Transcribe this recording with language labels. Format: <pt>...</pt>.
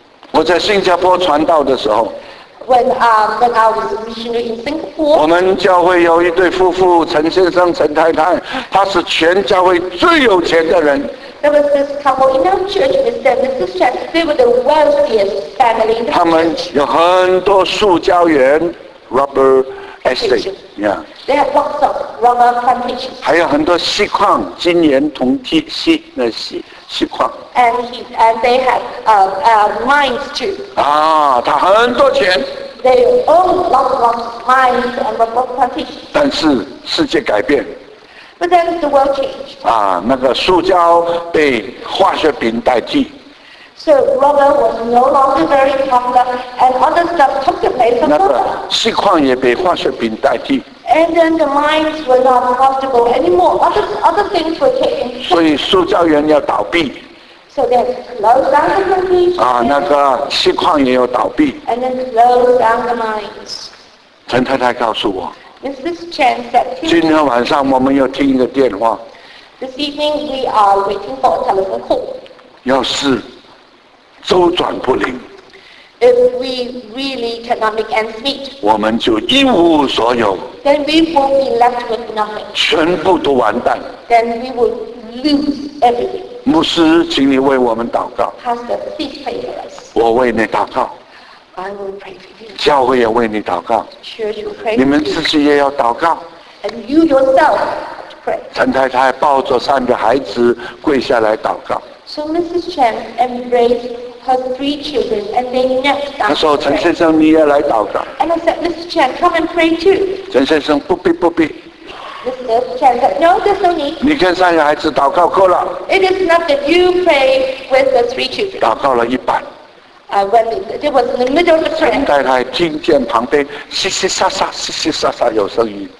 <zh>我在新加坡传道的时候，</zh> <en>When I was a missionary in Singapore,</en> <zh>我们教会有一对夫妇，陈先生陈太太，他是全教会最有钱的人。</zh> <en>There was this couple in our church, Mr. and Mrs. Chen. They were the wealthiest family in the church.</en> <zh>他们有很多塑胶园</zh> <en>rubber estate. Yeah. They had lots of rubber plantations.</en> <zh>还有很多锡矿，金盐铜锡锡那锡锡矿。</zh> <en>And they had mines too.</en> <zh>啊，他很多钱。</zh> <en>They owned lots of mines and rubber plantations.</en> <zh>但是世界改变。</zh> <en>But then the world changed.</en> <zh>啊，那个塑胶被化学品代替。</zh> <en>So rubber was no longer very popular, and other stuff took the place of rubber.</en> <zh>那个锡矿也被化学品代替。</zh> <en>And then the mines were not profitable anymore. Other things were taken.</en> <zh>所以塑胶园要倒闭。</zh> <en>So they closed down the plantation.</en> <zh>啊，那个锡矿也要倒闭。</zh> <en>And then closed down the mines.</en> <zh>陈太太告诉我。</zh> <en>Mrs. Chen said,</en> <zh>今天晚上我们要听一个电话。</zh> <en>This evening we are waiting for a telephone call.</en> <zh>要是周转不灵。</zh> <en>If we really cannot make ends meet.</en> <zh>我们就一无所有。</zh> <en>Then we will be left with nothing.</en> <zh>全部都完蛋。</zh> <en>Then we will lose everything.</en> <zh>牧师，请你为我们祷告。</zh> <en>Pastor, please pray for us.</en> <zh>我为你祷告。</zh> <en>I will pray for you.</en> <zh>教会也为你祷告。</zh> <en>Church will pray.</en> <zh>你们自己也要祷告。</zh> <en>And you yourself pray.</en> <zh>陈太太抱着三个孩子跪下来祷告。</zh> <en>So Mrs. Chen embraced her three children and they knelt down.</en> <zh>她说：“陈先生，你也来祷告。”</zh> <en>And I said, Mrs. Chen, come and pray too.</en> <zh>陈先生，不必不必。</zh> <en>Mr. Chen said, no, there's no need. You pray with the three children. It is enough that you pray with the three children.</en> <zh>祷告了一半。</zh> <en>I went, it was in the middle of the prayer.</en> <zh>陈太太听见旁边嘻嘻沙沙、嘻嘻沙沙有声音。</zh>